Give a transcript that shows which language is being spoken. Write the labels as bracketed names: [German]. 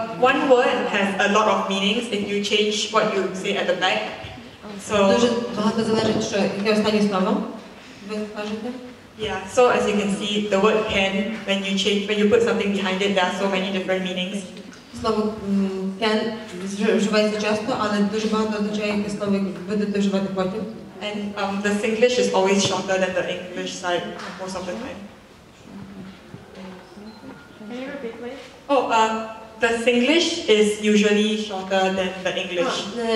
[English] One word has a lot of meanings if you change what you say at the back. So [Ukrainian] дуже багато залежить, що яке останнє слово ви кажете. [English] Yeah, so as you can see, the word can, when you put something behind it, there are so many different meanings. [Ukrainian] Слово can вживається часто, але дуже багато означає, яке слово будете вживати потім. [English] And the Singlish is always shorter than the English side most of the time. Can you repeat, please? Oh, the Singlish is usually shorter than the English.